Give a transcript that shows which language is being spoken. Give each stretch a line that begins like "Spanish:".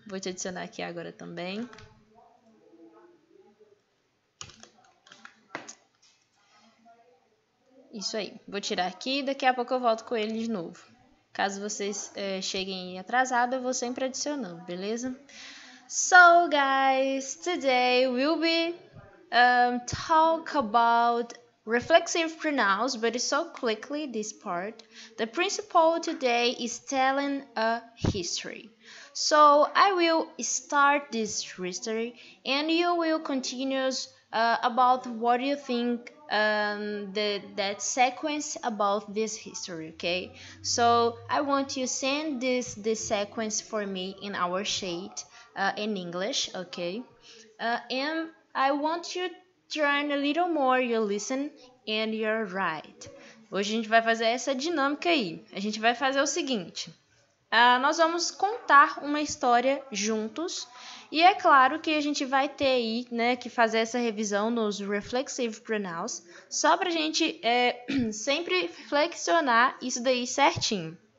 Portuguese: Vou te adicionar aqui agora também. Isso aí, vou tirar aqui e daqui a pouco eu volto com ele de novo. Caso vocês cheguem atrasados, eu vou sempre adicionando, beleza?
English: So, guys, today we'll be talk about reflexive pronouns, but it's so quickly, this part. The principal today is telling a history. So, I will start this history and you will continue about what you think that sequence about this history, okay? So I want you send this sequence for me in our sheet in English, okay? And I want you trying a little more your listen and your write.
Portuguese: Hoje a gente vai fazer essa dinâmica aí. A gente vai fazer o seguinte. Nós vamos contar uma história juntos. E é claro que a gente vai ter aí, né, que fazer essa revisão nos reflexive pronouns, só pra gente sempre flexionar isso daí certinho.